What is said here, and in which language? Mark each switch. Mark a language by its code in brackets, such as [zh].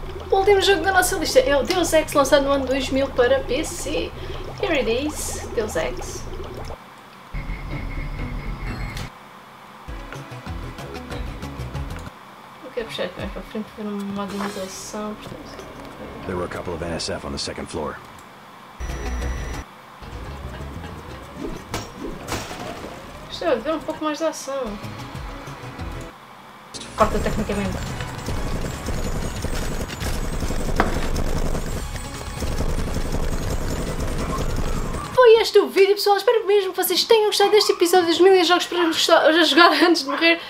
[pt] O último jogo da nossa lista é o Deus Ex, lançado no ano 2000 para PC. [en] Here it is, Deus Ex. [pt] Eu quero puxar aqui mais para frente para ver uma modernização. [en] There were a couple of NSF on the second floor. [pt] Deixa eu ver um pouco mais da ação. Corta tecnicamente. Foi este o vídeo, pessoal. Espero mesmo que vocês tenham gostado deste episódio dos mil jogos para jogar antes de morrer.